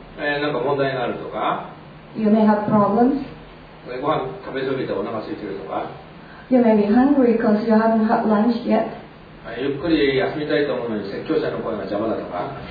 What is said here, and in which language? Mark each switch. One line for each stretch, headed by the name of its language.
Japanese: なんか問題があるとか。
English: You may have problems.
Japanese: ご飯食べ過ぎてお腹空いてるとか。
English: You may be hungry because you haven't had lunch yet.
Japanese: ゆっくり休みたいと思うのに説教者の声が邪魔だとか。